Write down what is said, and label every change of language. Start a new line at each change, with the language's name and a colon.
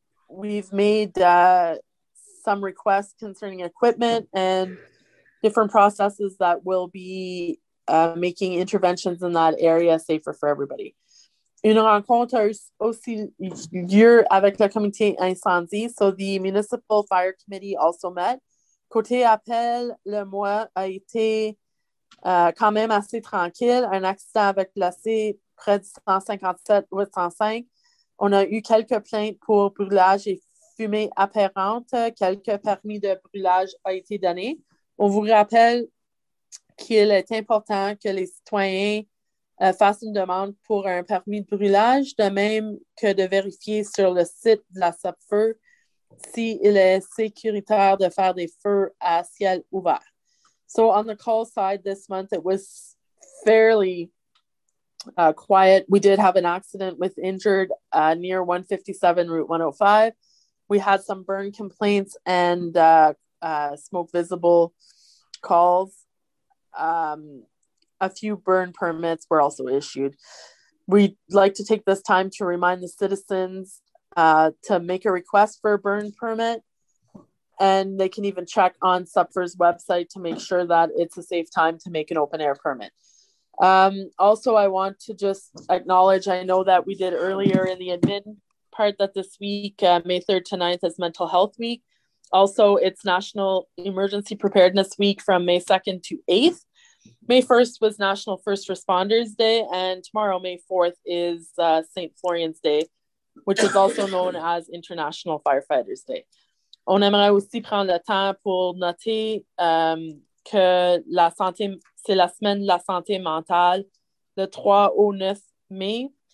English: We've made some requests concerning equipment and different processes that will be making interventions in that area safer for everybody.
French: une rencontre aussi lieu avec le comité incendie.
English: So the Municipal Fire Committee also met.
French: Côté appel, le mois a été quand même assez tranquille. Un accident avec placé près de 157-805. On a eu quelques plaintes pour brûlage et fumée apparente. Quelques permis de brûlage ont été donnés. On vous rappelle qu'il est important que les citoyens fassent une demande pour un permis de brûlage, de même que de vérifier sur le site de la SOPFEU s'il est sécuritaire de faire des feux à ciel ouvert.
English: So on the call side this month, it was fairly quiet. We did have an accident with injured near 157 Route 105. We had some burn complaints and smoke visible calls. A few burn permits were also issued. We'd like to take this time to remind the citizens to make a request for a burn permit. And they can even check on SUPFER's website to make sure that it's a safe time to make an open air permit. Also, I want to just acknowledge, I know that we did earlier in the admin part that this week, May 3rd to 9th is Mental Health Week. Also, it's National Emergency Preparedness Week from May 2nd to 8th. May 1st was National First Responders Day, and tomorrow, May 4th, is St. Florian's Day, which is also known as International Firefighters Day.
French: On aimerait aussi prendre le temps pour noter que la santé, c'est la semaine de la santé mentale, le 3 au 9 mai.